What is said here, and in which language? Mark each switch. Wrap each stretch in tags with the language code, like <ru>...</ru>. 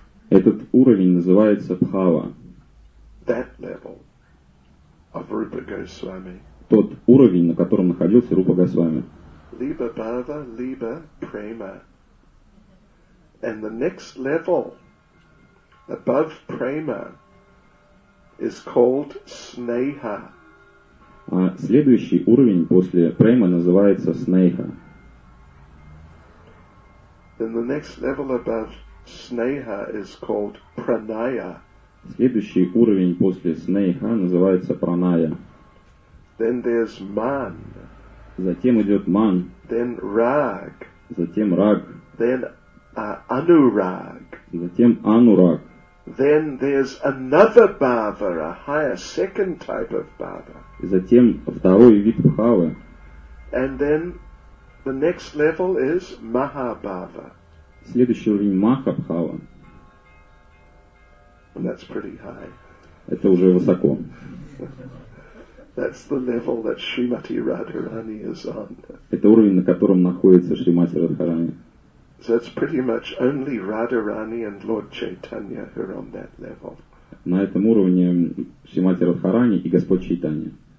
<ru>Этот уровень называется Бхава.</ru> <en>That level of Rupa Goswami.</en> <ru>Тот уровень, на котором находился Рупа Госвами. Либо Бхава, либо Према.</ru> <en>And the next level above prema is called sneha.</en> <ru>А следующий уровень после prema называется sneha.</ru> <en>Then the next level above sneha is called pranaya.</en> <ru>Следующий уровень после sneha называется pranaya.</ru> <en>Then there's man.</en> <ru>Затем идет man.</ru> <en>Then rag.</en> <ru>Затем rag.</ru> <en>Then anurag.</en> <ru>Затем anurag.</ru> <en>Then there's another bhava, a higher second type of bhava.</en> <ru>Затем второй вид бхавы.</ru> <en>And then the next level is mahabhava.</en> <ru>Следующий уровень махабхава.</ru> <en>And that's pretty high.</en> <ru>Это уже высоко.</ru> <en>That's the level that Shrimati Radharani is on.</en> <ru>Это уровень, на котором находится Шримати Радхарани.</ru> <en>So it's pretty much only Radharani and Lord Chaitanya who are on that level.</en> <ru>На этом уровне Шримати Радхарани и Господь Чайтанья.</ru>